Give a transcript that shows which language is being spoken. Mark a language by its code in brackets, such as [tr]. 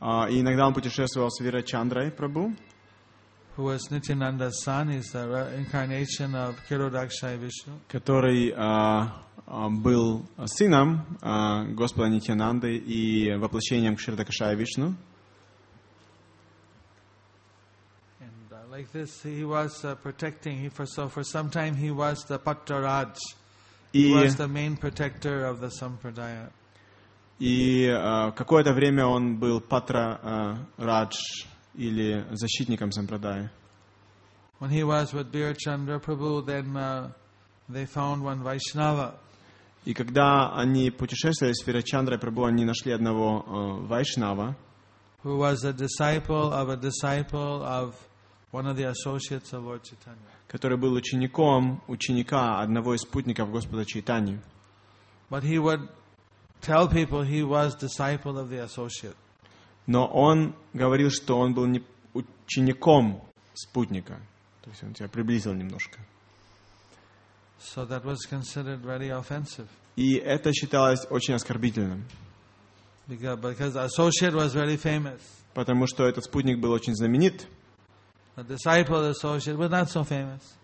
[ru] И иногда он путешествовал с Вирачандрой Прабху. [en] Who was Nityananda's son, is the reincarnation of Kirodakshaya Vishnu. [ru] Который был сыном Господа Нитьянанды и воплощением Кширодакшая Вишну. [en] And Like this, he was protecting. For some time, he was the Pattaraj. He was the main protector of the Sampradaya. [ru] И какое-то время он был патра радж или защитником сампрадая. [en] When he was with Birchandra Prabhu, then they found one Vaishnava. [ru] И когда они путешествовали с Вирачандрой Прабху, они нашли одного Вайшнава. [en] Who was a disciple of one of the associates of Lord Chaitanya. [ru] Который был учеником ученика одного из спутников Господа Чайтаньи. [en] But he would tell people he was disciple of the associate. [ru] Но он говорил, что он был не учеником спутника. То есть он тебя приблизил немножко. [en] So that was considered very offensive. [ru] И это считалось очень оскорбительным. [en] Because the associate was very famous. [ru] Потому что этот спутник был очень знаменит. [en] The disciple of the associate was not so famous.